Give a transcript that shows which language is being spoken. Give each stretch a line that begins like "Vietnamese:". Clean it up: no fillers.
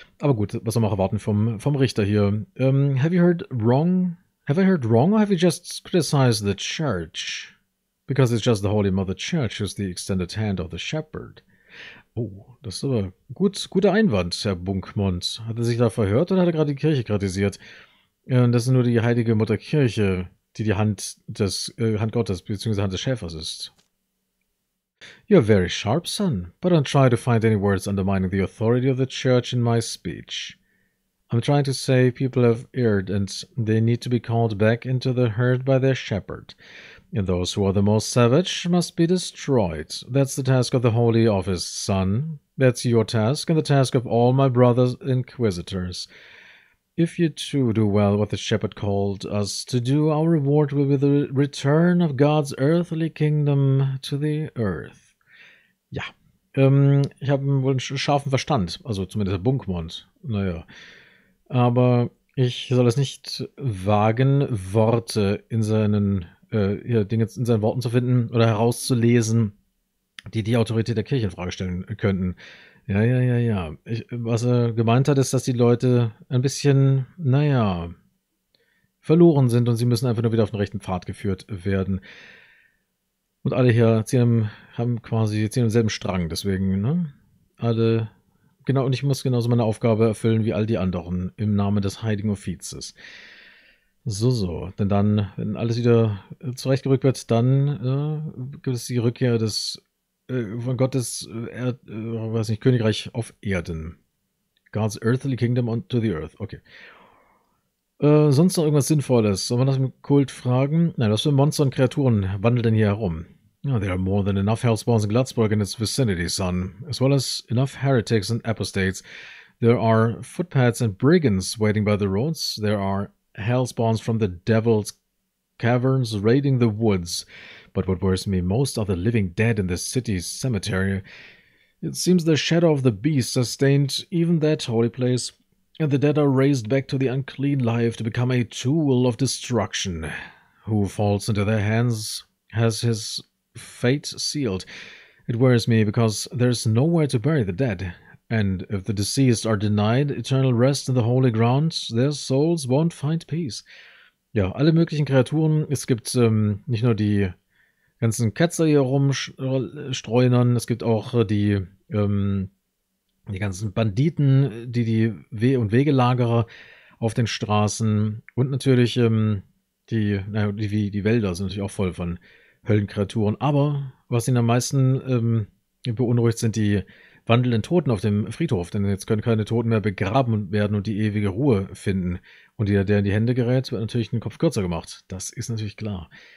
German: Aber gut, was soll man erwarten vom Richter hier?
English: Have you heard wrong? Have I heard wrong or have you just criticized the church? Because it's just the Holy Mother Church who's the extended hand of the shepherd.
German: Oh, das ist aber guter Einwand, Herr Bunkmund. Hat er sich da verhört oder hat er gerade die Kirche kritisiert? Das ist nur die heilige Mutterkirche, die die Hand des Hand Gottes bzw. Hand des Schäfers ist.
English: You're very sharp, son. But don't try to find any words undermining the authority of the church in my speech. I'm trying to say people have erred and they need to be called back into the herd by their shepherd. And those who are the most savage must be destroyed. That's the task of the Holy Office, son. That's your task and the task of all my brothers inquisitors. If you too do well what the shepherd called us to do, our reward will be the return of God's earthly kingdom to the earth.
German: Ja, ich habe wohl einen scharfen Verstand, also zumindest der Bunkmund, naja. Aber ich soll es nicht wagen, Worte in seinen Dinge in seinen Worten zu finden oder herauszulesen, die Autorität der Kirche in Frage stellen könnten. Ja. Was er gemeint hat, ist, dass die Leute ein bisschen, naja, verloren sind und sie müssen einfach nur wieder auf den rechten Pfad geführt werden. Und alle hier ziehen im selben Strang, deswegen, ne? Alle, genau, und ich muss genauso meine Aufgabe erfüllen wie all die anderen im Namen des Heiligen Offizes. So, denn dann, wenn alles wieder zurechtgerückt wird, dann gibt es die Rückkehr des von Gottes Königreich auf Erden.
English: God's earthly kingdom onto the earth. Okay.
German: Sonst noch irgendwas Sinnvolles? Soll man das im Kult fragen? Nein, was für Monster und Kreaturen wandeln denn hier herum?
English: Oh, there are more than enough Hellspawns in Gladsburg in its vicinity, son. As well as enough heretics and apostates. There are footpads and brigands waiting by the roads. There are Hellspawns from the devil's caverns raiding the woods. But what worries me most are the living dead in the city's cemetery. It seems the shadow of the beast sustained even that holy place, and the dead are raised back to the unclean life to become a tool of destruction. Who falls into their hands has his fate sealed. It worries me because there's nowhere to bury the dead, and if the deceased are denied eternal rest in the holy ground, their souls won't find peace.
German: Ja, alle möglichen Kreaturen. Es gibt nicht nur die ganzen Ketzer hier rumstreunern, es gibt auch die ganzen Banditen, die Weh- und Wegelagerer auf den Straßen und natürlich die Wälder sind natürlich auch voll von Höllenkreaturen, aber was ihn am meisten beunruhigt, sind die wandelnden Toten auf dem Friedhof, denn jetzt können keine Toten mehr begraben werden und die ewige Ruhe finden und jeder, der in die Hände gerät, wird natürlich den Kopf kürzer gemacht, das ist natürlich klar.